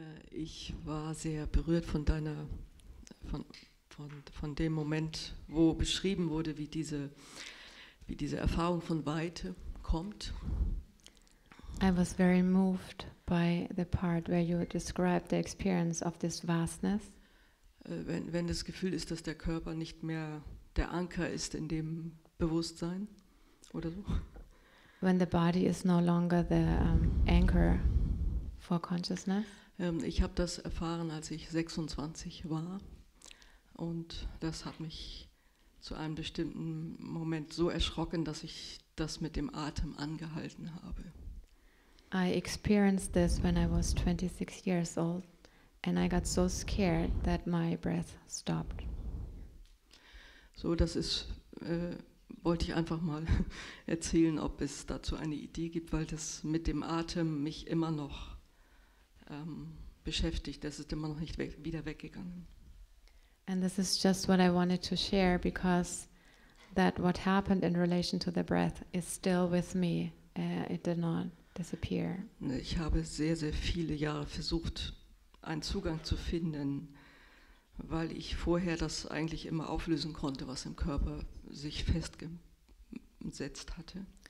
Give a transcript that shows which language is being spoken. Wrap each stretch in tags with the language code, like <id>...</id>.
<de>Ich war sehr berührt von deiner, von dem Moment, wo beschrieben wurde, wie diese Erfahrung von Weite kommt.</de> <en>I was very moved by the part where you described the experience of this vastness.</en> <de>Wenn das Gefühl ist, dass der Körper nicht mehr der Anker ist in dem Bewusstsein oder so.</de> <en>When the body is no longer the anchor for consciousness.</en> <de>Ich habe das erfahren, als ich 26 war, und das hat mich zu einem bestimmten Moment so erschrocken, dass ich das mit dem Atem angehalten habe.</de> <en>I experienced this when I was 26 years old, and I got so scared that my breath stopped.</en> <de>So, das ist, wollte ich einfach mal erzählen, ob es dazu eine Idee gibt, weil das mit dem Atem mich immer noch beschäftigt, das ist immer noch nicht wieder weggegangen.</de> <en>And this is just what I wanted to share, because that what happened in relation to the breath is still with me. It did not disappear.</en> <de>Ich habe sehr, sehr viele Jahre versucht, einen Zugang zu finden, weil ich vorher das eigentlich immer auflösen konnte, was im Körper sich festgesetzt hatte.</de>